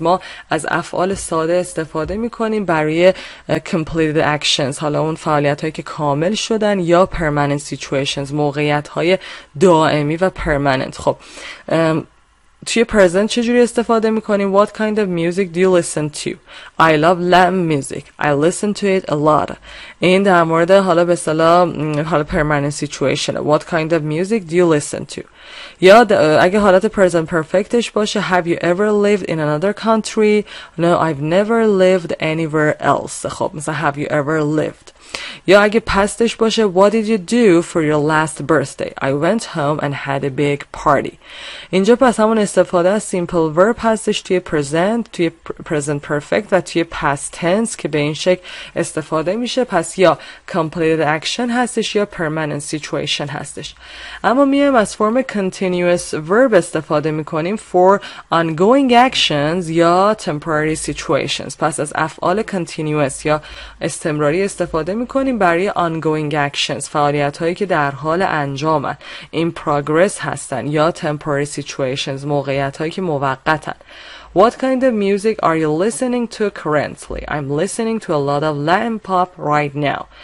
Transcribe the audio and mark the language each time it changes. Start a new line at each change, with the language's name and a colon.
Persian: ما از افعال ساده استفاده میکنیم برای completed actions، حالا اون فعالیت هایی که کامل شدن، یا permanent situations، موقعیت های دائمی و permanent. خب توی present چجوری استفاده میکنیم؟
English: What kind of music do you listen to؟ I love Latin music. I listen to it a lot.
Persian: این در مورد حالا به اصطلاح حالا permanent situation.
English: What kind of music do you listen to؟
Persian: یا اگه حالت present perfectش باشه،
English: Have you ever lived in another country؟ No, I've never lived anywhere else.
Persian: خب مثلا
English: Have you ever lived؟
Persian: یا اگه پستش باشه،
English: What did you do for your last birthday؟ I went home and had a big party.
Persian: اینجا پس همون استفاده از simple verb هستش توی present، توی present perfect و توی past tense که به این شکل استفاده میشه. پس یا completed action هستش یا permanent situation هستش. اما میایم از form continuous verb استفاده میکنیم for ongoing actions یا temporary situations. پس از افعال continuous یا استمراری استفاده میکنیم برای ongoing actions، فعالیت هایی که در حال انجامن، in progress هستن، یا temporary situations، موقعیت هایی که موقتن.
English: What kind of music are you listening to currently? I'm listening to a lot of Latin pop right now.